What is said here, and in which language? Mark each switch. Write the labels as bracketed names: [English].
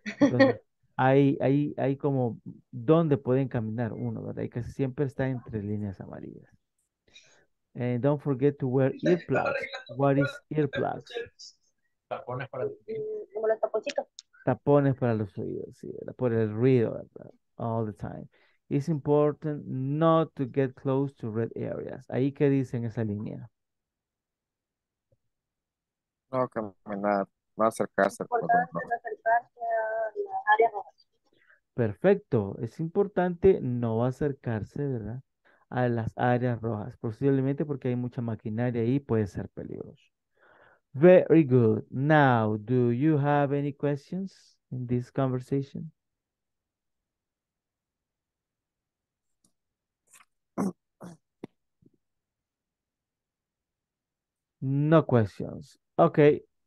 [Spanish] Entonces, hay como donde pueden caminar uno, ¿verdad? Y casi siempre está entre líneas amarillas. [English] And don't forget to wear earplugs. What is earplugs? [Spanish] Tapones para... Como los taponcitos. Tapones para los oídos, sí, por el ruido, ¿verdad? [English] All the time. It's important not to get close to red areas. [Spanish] ¿Ahí qué dice en esa línea? No caminar, no acercarse. Es importante no acercarse a las áreas rojas. Perfecto. Es importante no acercarse, ¿verdad? A las áreas rojas. Posiblemente porque hay mucha maquinaria ahí, puede ser peligroso. [English] Very good. Now, do you have any questions in this conversation? No questions. Okay.